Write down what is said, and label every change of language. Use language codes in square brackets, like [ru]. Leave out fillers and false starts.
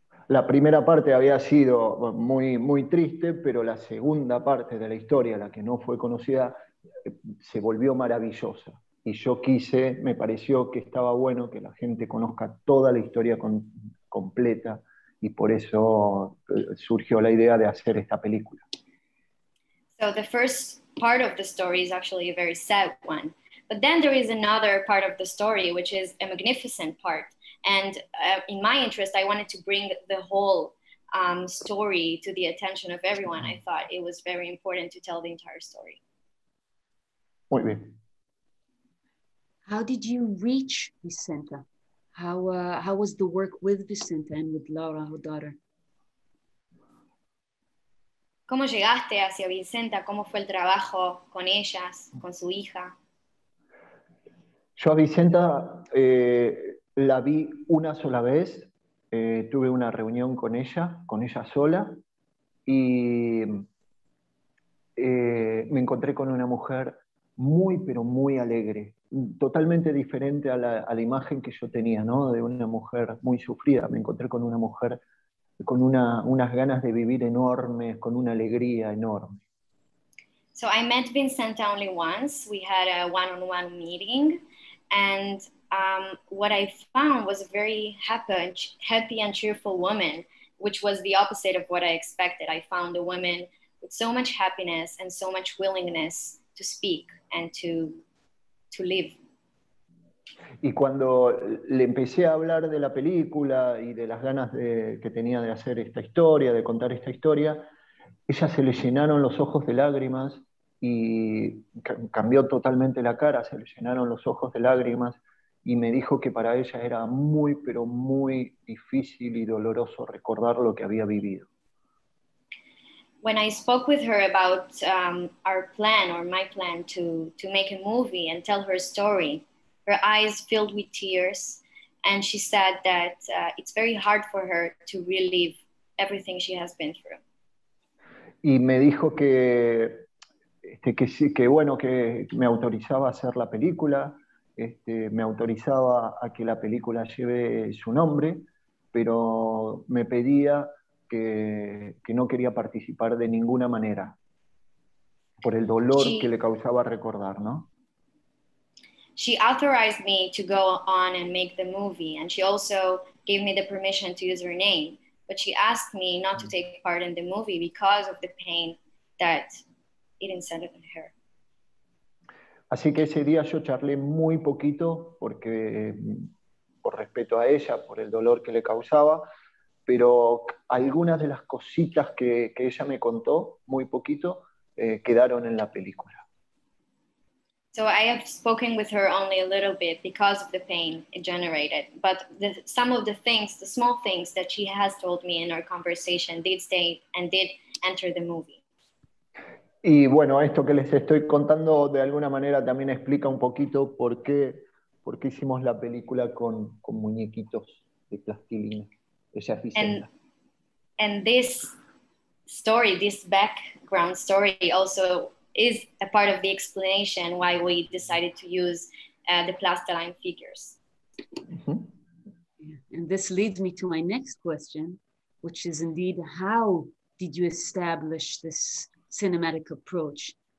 [es] La primera parte había sido muy, muy triste, pero la segunda parte de la historia, la que no fue conocida, se volvió maravillosa. Y yo quise, me pareció que estaba bueno que la gente conozca toda la historia completa, y por eso surgió la idea de hacer esta película. [en] So the first part of the story is actually a very sad one. But then there is another part of the story, which is a magnificent part. And in my interest, I wanted to bring the whole story to the attention of everyone. I thought it was very important to tell the entire story. [es] Muy bien. [en] How did you reach Vicenta? How was the work with Vicente and with Laura, her daughter? [es] ¿Cómo llegaste hacia Vicenta? ¿Cómo fue el trabajo con ellas, con su hija? Yo a Vicenta la vi una sola vez. Tuve una reunión con ella sola, y me encontré con una mujer muy, pero muy alegre, totalmente diferente a la imagen que yo tenía, ¿no? De una mujer muy sufrida. Me encontré con una mujer con unas ganas de vivir enormes, con una alegría enorme. [en] So I met Vicenta only once. We had a one-on-one meeting, and what I found was a very happy and cheerful woman, which was the opposite of what I expected. I found a woman with so much happiness and so much willingness to speak and to live. [es] Y cuando le empecé a hablar de la película y de las ganas de, que tenía de hacer esta historia, de contar esta historia, ella se le llenaron los ojos de lágrimas y cambió totalmente la cara, se le llenaron los ojos de lágrimas y me dijo que para ella era muy, pero muy difícil y doloroso recordar lo que había vivido. [en] When I spoke with her about our plan or my plan to make a movie and tell her story, her eyes filled with tears, and she said that it's very hard for her to relive everything she has been through. [es] Y me dijo que que sí, que bueno, que me autorizaba a hacer la película, me autorizaba a que la película lleve su nombre, pero me pedía que no quería participar de ninguna manera por el dolor que le causaba recordar, ¿no? [en] She authorized me to go on and make the movie, and she also gave me the permission to use her name, but she asked me not to take part in the movie because of the pain that it incited in her. [es] Así que ese día yo charlé muy poquito porque por respeto a ella, por el dolor que le causaba, pero algunas de las cositas que ella me contó, muy poquito, quedaron en la película. [en] So I have spoken with her only a little bit because of the pain it generated. But some of the things, the small things that she has told me in our conversation did stay and did enter the movie. [es] Y bueno, esto que les estoy contando de alguna manera también explica un poquito por qué hicimos la película con muñequitos de plastilina. Ella es Vicenta. [en] And this story, this background story also is a part of the explanation why we decided to use the plastiline figures. Mm-hmm. And this leads me to my next question, which is indeed, how did you establish this cinematic approach?